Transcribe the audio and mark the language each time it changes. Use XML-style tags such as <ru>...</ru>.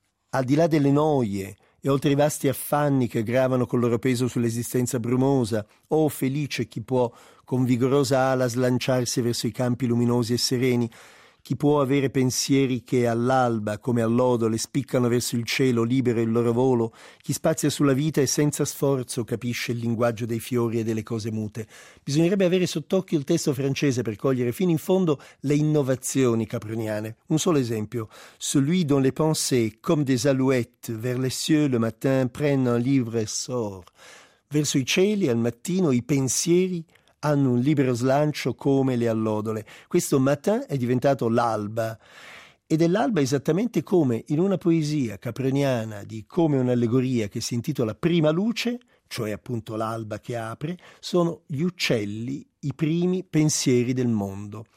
<it>Al di là delle noie e oltre i vasti affanni che gravano col loro peso sull'esistenza brumosa, oh felice chi può con vigorosa ala slanciarsi verso i campi luminosi e sereni, chi può avere pensieri che all'alba, come all'odo, le spiccano verso il cielo, libero il loro volo, chi spazia sulla vita e senza sforzo capisce il linguaggio dei fiori e delle cose mute. Bisognerebbe avere sott'occhio il testo francese per cogliere fino in fondo le innovazioni caproniane. Un solo esempio.</it> <fr>Celui dont les pensées, comme des alouettes, vers les cieux le matin prennent un libre sort.</fr> <it>Verso i cieli, al mattino, i pensieri hanno un libero slancio come le allodole. Questo matin è diventato l'alba, ed è l'alba esattamente come in una poesia caproniana di Come un'allegoria, che si intitola Prima luce, cioè appunto l'alba che apre, sono gli uccelli i primi pensieri del mondo.</it>